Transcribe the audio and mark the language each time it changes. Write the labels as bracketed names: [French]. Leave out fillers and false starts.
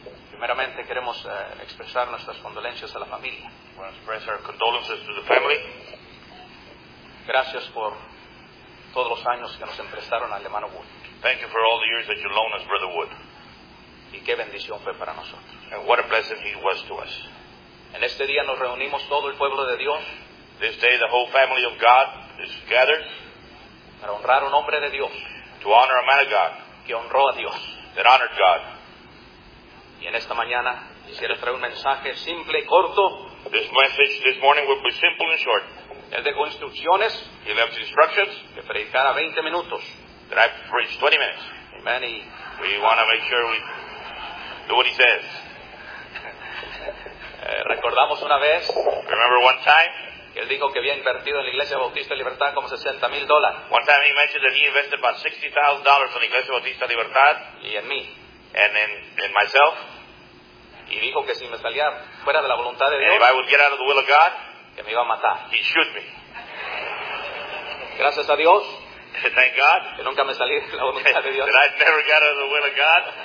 [Spanish] Primeramente queremos expresar nuestras condolencias a la familia. [English] We want to express our condolences to the family. [Spanish] Gracias por todos los años que nos emprestaron al hermano Wood. [English] Thank you for all the years that you loaned us, Brother Wood. [Spanish] Y qué bendición fue para nosotros. [English] And what a blessing he was to us. [Spanish] En este día nos reunimos todo el pueblo de Dios. [English] This day the whole family of God is gathered. [Spanish] Para honrar un hombre de Dios. [English] To honor a man of God. [Spanish] Que honró a Dios. [English] That honored God. [Spanish] Y en esta mañana quisiera traer un mensaje simple y corto. [English] This message this morning will be simple and short. [Spanish] Él dejó instrucciones. [English] He left instructions. [Spanish] Que predicara 20 minutos. [English] That I preach 20 minutes. Amen. We want to make sure we do what he says. [Spanish] Recordamos una vez. [English] Remember one time. [Spanish] Que él dijo que había invertido en la Iglesia Bautista Libertad como $60,000. [English] One time he mentioned that he invested about $60,000 in Iglesia Bautista Libertad. [Spanish] Y en mí. [English] And in myself. [Spanish] Y dijo que si me salía fuera de la voluntad de [English] and [Spanish] Dios. [English] And if I would get out of the will of God. [Spanish] Que me iba a matar. [English] He shoot me. [Spanish] Gracias a Dios. [English] Thank God. [Spanish] Que nunca me salí de la voluntad de Dios. [English] That I never got out of the will of God.